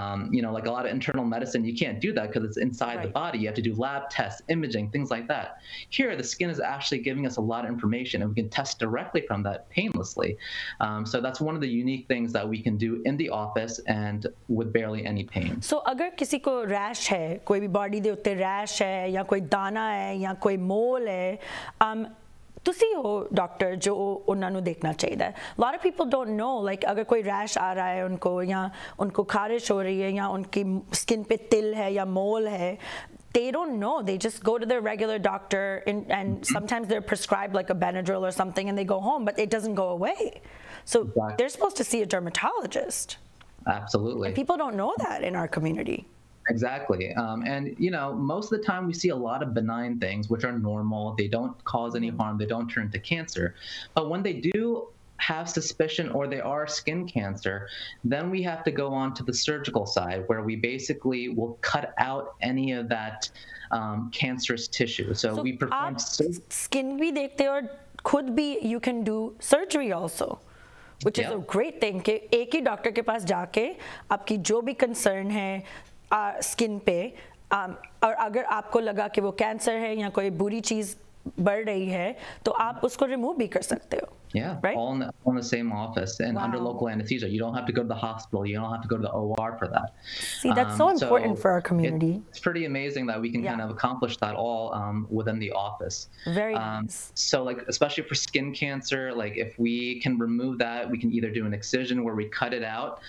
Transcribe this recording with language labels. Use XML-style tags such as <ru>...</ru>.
<en>You know, like a lot of internal medicine, you can't do that because it's inside the body. You have to do lab tests, imaging, things like that. Here, the skin is actually giving us a lot of information, and we can test directly from that painlessly. So that's one of the unique things that we can do in the office and with barely any pain.</en> <pa>ਸੋ ਅਗਰ ਕਿਸੀ ਕੋ rash ਹੈ, ਕੋਈ ਭੀ body ਦੇ ਉੱਤੇ rash ਹੈ, ਯਾ ਕੋਈ ਦਾਣਾ ਹੈ, ਯਾ ਕੋਈ ਮੋਲ ਹੈ, ਤੁਸੀਂ ਹੋ ਡਾਕਟਰ ਜੋ ਉਨ੍ਹਾਂ ਨੂੰ ਦੇਖਣਾ ਚਾਹੀਦਾ.</pa> <en>A lot of people don't know, like</en> <hi>अगर कोई रैश आ रहा है उनको, या उनको खारिश हो रही है, या उनकी स्किन पे तिल है, या मोल है,</hi> <en>they don't know. They just go to their regular doctor and sometimes they're prescribed like a Benadryl or something and they go home, but it doesn't go away. So they're supposed to see a dermatologist. Absolutely. And people don't know that in our community. Exactly. And, you know, most of the time we see a lot of benign things, which are normal. They don't cause any harm. They don't turn to cancer. But when they do have suspicion or they are skin cancer, then we have to go on to the surgical side where we basically will cut out any of that cancerous tissue. So, we perform skin we dekhte or could be you can do surgery also. Which is a great thing.</en> <hi>के एक ही doctor के पास जाके आपकी जो भी concern है skin पे, और अगर आपको लगा कि वो कैंसर है या कोई बुरी चीज़ बढ़ रही है, तो आप उसको रिमूव भी कर सकते हो.</hi> <en>Yeah, right? all in the same office and under local anesthesia. You don't have to go to the hospital. You don't have to go to the OR for that. See, that's so important for our community. It's pretty amazing that we can kind of accomplish that all within the office. Very nice. So, like, especially for skin cancer, like, if we can remove that, we can either do an excision where we cut it out.</en>